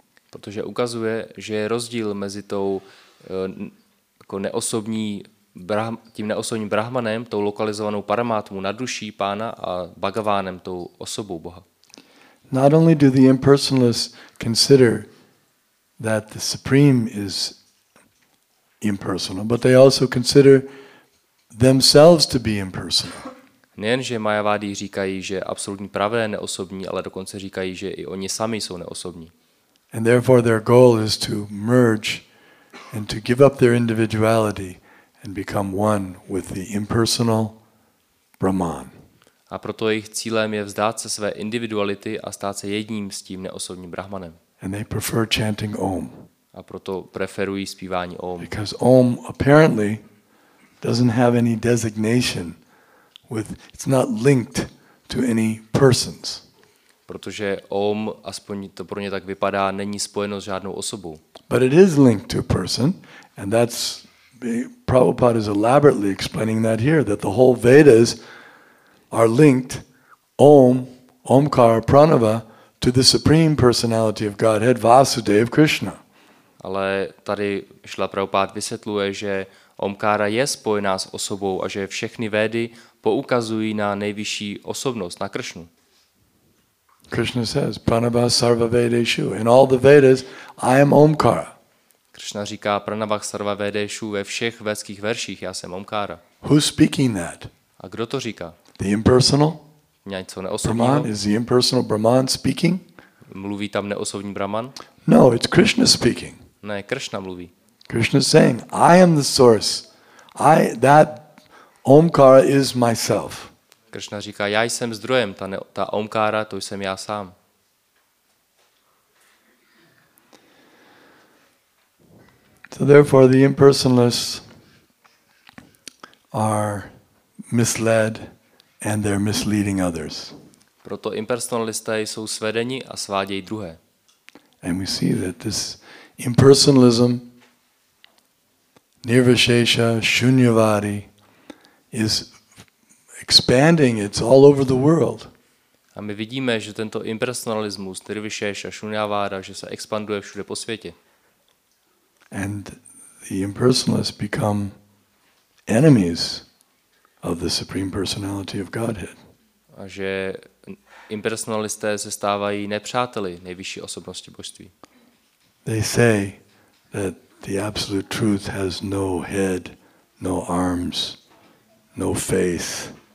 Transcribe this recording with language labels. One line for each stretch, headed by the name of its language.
Czech: Protože ukazuje, že je rozdíl mezi tou jako neosobní tím neosobním Brahmanem, tou lokalizovanou paramátmu na duší pána a Bhagavánem, tou osobou Boha.
English: Not only do the impersonalists consider that the Supreme is impersonal, but they also consider themselves to be impersonal.
Czech: Nejenže Mayavadi říkají, že absolutní pravé neosobní, ale dokonce říkají, že i oni sami jsou neosobní.
English: And therefore their goal is to merge and to give up their individuality and become one with the impersonal Brahman.
Czech: A proto jejich cílem je vzdát se své individuality a stát se jedním s tím neosobním Brahmanem.
English: And they prefer chanting Om.
Czech: A proto preferují zpívání Om.
English: Because Om apparently doesn't have any designation with it's not linked to any persons.
Czech: Protože Om, aspoň to pro ně tak vypadá, není spojeno s žádnou osobou.
English: But it is linked to a person and that's Prabhupada is elaborately explaining that here, that the whole Vedas are linked, Om, Omkar, Pranava, to the Supreme Personality of Godhead, Vasudev Krishna.
Czech: Ale tady Šrila Prabhupada vysvětluje, že Omkara je spojená s osobou a že všechny Vedy poukazují na nejvyšší osobnost, na Krishnu.
English: Krishna says,
Sanskrit: Pranava Sarva Vedeshu.
English: In all the Vedas, I am Omkara.
Czech: Krishna říká
Sanskrit: Pranavah Sarva Vedeshu
Czech: ve všech védských verších, já jsem Omkára.
English: Who's speaking that?
Czech: A kdo to říká?
English: The impersonal?
Czech: Něco neosobního?
English: Brahman, is the impersonal Brahman speaking?
Czech: Mluví tam neosobní Brahman?
English: No, it's Krishna speaking.
Czech: Ne, Krishna mluví.
English: Krishna saying, I am the source. I, that Omkara is myself.
Czech: Krishna říká, já jsem zdrojem, ta Omkára, to jsem já sám.
English: So therefore the impersonalists are misled and they're misleading others.
Czech: Proto impersonalisté jsou svedeni a svádějí druhé.
English: And we see that this impersonalism, nirvishesha, shunyavadi, is expanding. It's all over the world.
Czech: A my vidíme, že tento impersonalismus, nirvishesha, shunyavada, že se expanduje všude po světě.
English: And the impersonalists become enemies of the Supreme Personality of Godhead.
Czech: A že impersonalisté se stávají nepřáteli nejvyšší osobnosti božství.
English: They say that the absolute truth has no head, no arms, no face.